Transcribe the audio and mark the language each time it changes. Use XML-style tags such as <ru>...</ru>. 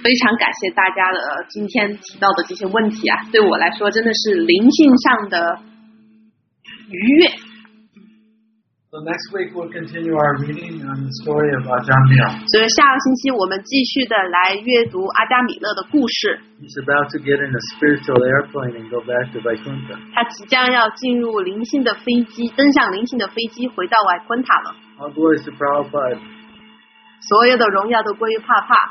<zh>非常感谢大家的今天提到的这些问题啊，对我来说真的是灵性上的愉悦。</zh> <en>So next week we'll continue our reading on the story of Ajamila.</en> <zh>所以下个星期我们继续的来阅读阿加米勒的故事。</zh> <en>He's about to get in a spiritual airplane and go back to Vaikuntha.</en> <zh>他即将要进入灵性的飞机，登上灵性的飞机，回到维昆塔了。</zh> <en>All glory to Prabhupada.</en> <zh>所有的荣耀都归于帕帕。</zh>